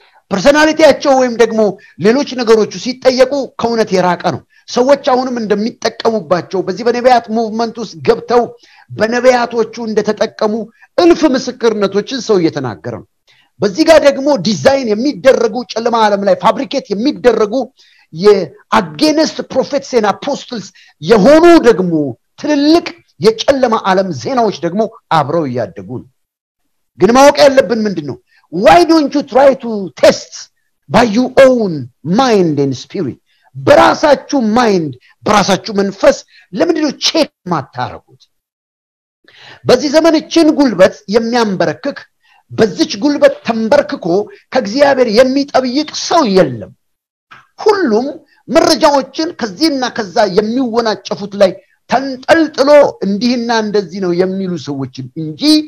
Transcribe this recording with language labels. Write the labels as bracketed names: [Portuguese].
[Amharic] ፐርሰናሊቲያቸው ወይም ደግሞ ሌሎች ነገሮቹ ሲጠየቁ ከእውነት የራቀ ነው። ሰዎች አሁንም እንደሚጠቀሙባቸው በዚህ በነቢያት ሙቭመንት ውስጥ ገብተው በነቢያቶቹ እንደተጠቀሙ እልፍ ምስክርነቶችን ሰው እየተናገረ ነው። በዚህ ጋር ደግሞ ዲዛይን የሚደረጉ ጨለማ ዓለም ላይ ፋብሪኬት የሚደረጉ የአጌንስት ፕሮፌትስ እና አፖስትልስ የሆኑ ደግሞ ትልልቅ የጨለማ ዓለም ዜናዎች ደግሞ አብረው ያደጉ ነው። ግን ማወቅ ያለብን ምንድነው? [English] Why don't you try to test by your own mind and spirit? [Amharic] በራሳችሁ mind በራሳችሁ መንፈስ ለምንድነው ቼክ ማታረጉት? በዚህ ዘመን እቺን ጉልበት የሚያንበረክክ በዚች ጉልበት ተንበርክኮ ከእግዚአብሔር የሚጠብይቅ ሰው የለም። ሁሉም መረጃዎችን ከዚህና ከዛ የሚወናጨፉት ላይ ተንጠልጥሎ እንዲህና እንደዚህ ነው የሚሉ ሰዎችን እንጂ